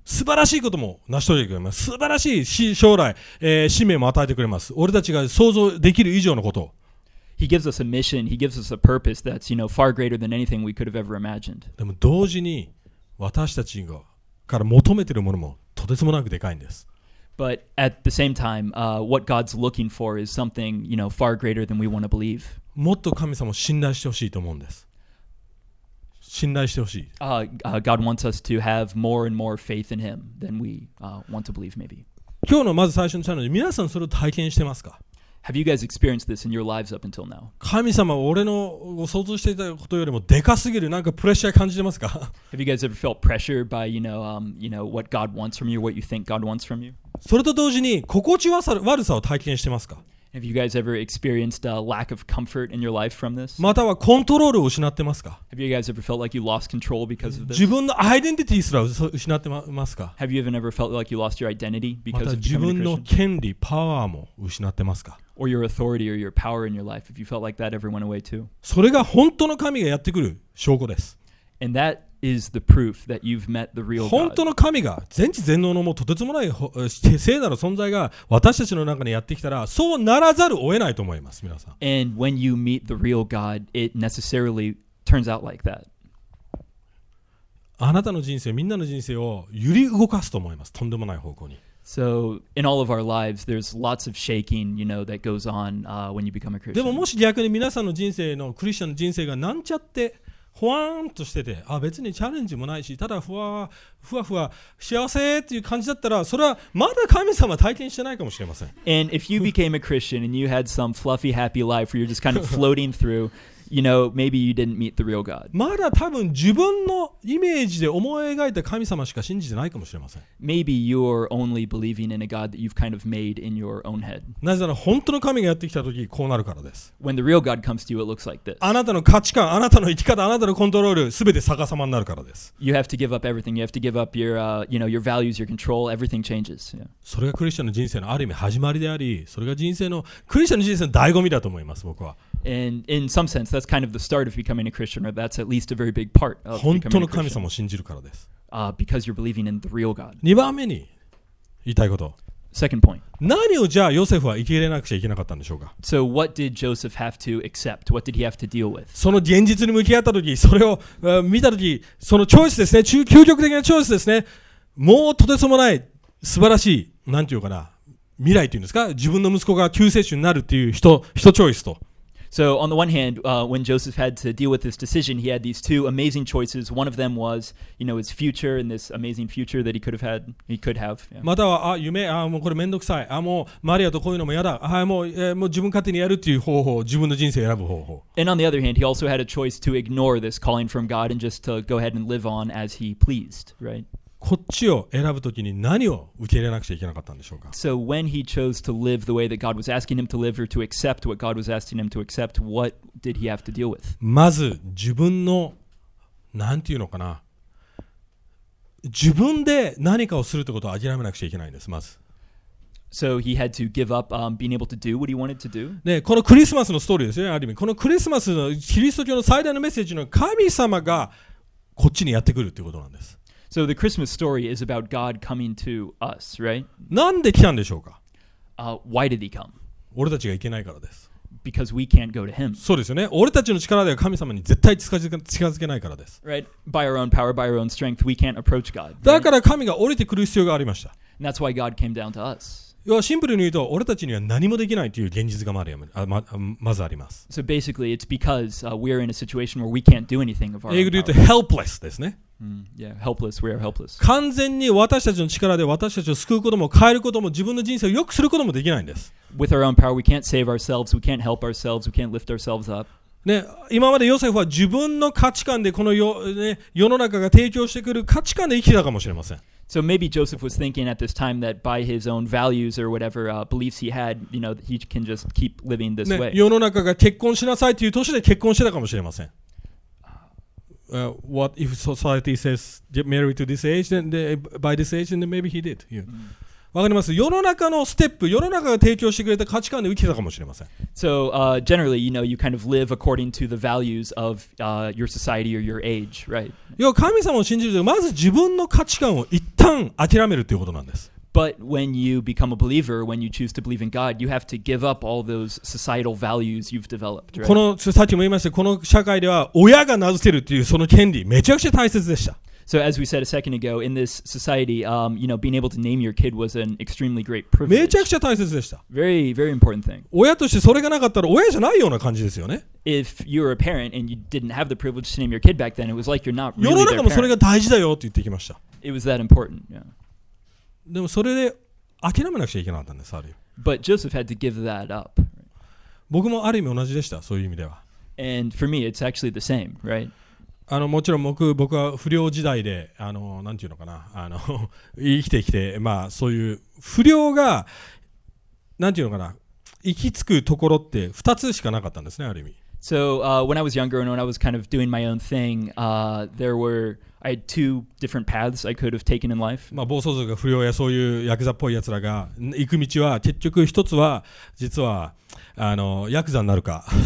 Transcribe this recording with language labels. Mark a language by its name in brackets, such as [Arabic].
[Japanese] 素晴らしいことも成し遂げてくれます。素晴らしい将来、使命も与えてくれます。俺たちが想像できる以上のこと。 [English] He gives us a mission. He gives us a purpose that's, you know, far greater than anything we could have ever imagined. [Japanese] でも同時に私たちがから求めているものもとてつもなくでかいんです。 [English] But at the same time, what God's looking for is something, you know, far greater than we want to believe. [Japanese] もっと神様を信頼してほしいと思うんです。信頼してほしい。 [English] God wants us to have more and more faith in Him than we want to believe, maybe. [Japanese] 今日のまず最初のチャレンジ、皆さんそれを体験してますか？ [English] Have you guys experienced this in your lives up until now? [Japanese] 神様、俺の想像していたことよりもでかすぎる、なんかプレッシャー感じてますか？ [English] Have you guys ever felt pressure by, you know, what God wants from you, what you think God wants from you? [Japanese] それと同時に、心地悪さを体験してますか？ [English] Have you guys ever experienced a lack of comfort in your life from this? [Japanese] またはコントロールを失ってますか? [English] Have you guys ever felt like you lost control because of this? [Japanese] 自分のアイデンティティすら失ってますか? [English] Have you ever felt like you lost your identity because of becoming a Christian? [Japanese] また自分の権利、パワーも失ってますか? [English] Or your authority or your power in your life, if you felt like that ever went away too? [Japanese] それが本当の神がやってくる証拠です。 [English] And that is the proof that you've met the real God. [Japanese] 本当の神が全知全能のもとてつもない聖なる存在が私たちの中にやってきたらそうならざるを得ないと思います皆さん。 [English] And when you meet the real God, it necessarily turns out like that. [Japanese] あなたの人生、みんなの人生を揺り動かすと思います。とんでもない方向に。 [English] So in all of our lives, there's lots of shaking, you know, that goes on when you become a Christian. [Japanese] でももし逆に皆さんの人生のクリスチャンの人生がなんちゃってほわーんとしてて、あ、別にチャレンジもないし、ただふわふわ幸せっていう感じだったら、それはまだ神様体験してないかもしれません。 [English] And if you became a Christian and you had some fluffy happy life where you're just kind of floating through, you know, maybe you didn't meet the real God. [Japanese] まだ多分自分のイメージで思い描いた神様しか信じてないかもしれません。 [English] Maybe you're only believing in a God that you've kind of made in your own head. [Japanese] なぜなら本当の神がやってきた時こうなるからです。 [English] When the real God comes to you, it looks like this. [Japanese] あなたの価値観、あなたの生き方、あなたのコントロール、すべて逆さまになるからです。 [English] You have to give up everything. You have to give up your, you know, your values, your control. Everything changes. Yeah. [Japanese] それがクリスチャンの人生のある意味始まりであり、それが人生のクリスチャンの人生の醍醐味だと思います。僕は。 [English] And in some sense, that's kind of the start of becoming a Christian, or that's at least a very big part of becoming a Christian. [Japanese] 本当の神様を信じるからです。 [English] Because you're believing in the real God. [Japanese] 2番目に言いたいこと。 [English] Second point. [Japanese] 何をじゃあヨセフは受け入れなくちゃいけなかったんでしょうか? [English] So what did Joseph have to accept? What did he have to deal with? [Japanese] その現実に向き合った時、それを見た時、そのチョイスですね、究極的なチョイスですね、もうとてつもない素晴らしい、なんていうかな、未来というんですか、自分の息子が救世主になるっていう人チョイスと。 [English] So on the one hand, when Joseph had to deal with this decision, he had these two amazing choices. One of them was, you know, his future and this amazing future that he could have. Yeah. [Japanese] または、あ、夢、あ、もうこれめんどくさい。あ、もうマリアとこういうのもやだ。あ、もう自分勝手にやるっていう方法、自分の人生選ぶ方法。 [English] And on the other hand, he also had a choice to ignore this calling from God and just to go ahead and live on as he pleased, right? [Japanese] こっちを選ぶときに何を受け入れなくちゃいけなかったんでしょうか? [English] So when he chose to live the way that God was asking him to live or to accept what God was asking him to accept, what did he have to deal with? [Japanese] まず自分の、なんていうのかな、自分で何かをするってことを諦めなくちゃいけないんです、まず。 [English] So he had to give up being able to do what he wanted to do. [Japanese] ね、このクリスマスのストーリーですよね、ある意味。このクリスマスのキリスト教の最大のメッセージの神様がこっちにやってくるっていうことなんです。 [English] So the Christmas story is about God coming to us, right? [Japanese] なんで来たんでしょうか? [English] Why did he come? [Japanese] 俺たちが行けないからです。 [English] Because we can't go to him. [Japanese] そうですよね。俺たちの力では神様に絶対近づけないからです。 [English] Right? By our own power, by our own strength, we can't approach God. [Japanese] だから神が降りてくる必要がありました。 [English] And that's why God came down to us. [Japanese] 要はシンプルに言うと、俺たちには何もできないという現実がまずあります。 [English] So basically, it's because we're in a situation where we can't do anything of our own power. [Japanese] 英語で言うと、helpless ですね。 [English] Yeah, helpless. We are helpless. [Japanese] 完全に私たちの力で私たちを救うことも変えることも自分の人生を良くすることもできないんです。 [English] With our own power, we can't save ourselves. We can't help ourselves. We can't lift ourselves up. [Japanese] ね、今までヨセフは自分の価値観でこの世の中が提供してくる価値観で生きたかもしれません。 [English] So maybe Joseph was thinking at this time that by his own values or whatever beliefs he had, you know, he can just keep living this way. [Japanese] 世の中が結婚しなさいという年で結婚してたかもしれません。 [English] What if society says get married to this age, then by this age, then maybe he did. [Japanese] わかります。世の中のステップ、世の中が提供してくれた価値観で生きてたかもしれません。 [English] So generally, you know, you kind of live according to the values of your society or your age, right? [Japanese] 要は神様を信じるとまず自分の価値観を一旦諦めるということなんです。 [English] But when you become a believer, when you choose to believe in God, you have to give up all those societal values you've developed, right? [Japanese] この、さっきも言いました、この社会では親が名付けるっていうその権利、めちゃくちゃ大切でした。 [English] So as we said a second ago, in this society, you know, being able to name your kid was an extremely great privilege. [Japanese] めちゃくちゃ大切でした。 [English] Very, very important thing. [Japanese] 親としてそれがなかったら親じゃないような感じですよね。 [English] If you were a parent and you didn't have the privilege to name your kid back then, it was like you're not really their parent. [Japanese] 世の中もそれが大事だよって言ってきました。 [English] It was that important, yeah. [Japanese] でもそれで諦めなくちゃいけなかったんです、ある意味。 [English] But Joseph had to give that up. [Japanese] 僕もある意味同じでした、そういう意味では。 [English] And for me, it's actually the same, right? [Japanese] もちろん 僕は不良時代で、なんていうのかな、生きてきて、まあ、そういう不良が、なんていうのかな、行き着くところって2つしかなかったんですね、ある意味。 [English] So, when I was younger and when I was kind of doing my own thing, there were, I had two different paths I could have taken in life. [Japanese] まあ、暴走族が不良やそういうヤクザっぽいやつらが行く道は、結局一つは、実は、ヤクザになるか。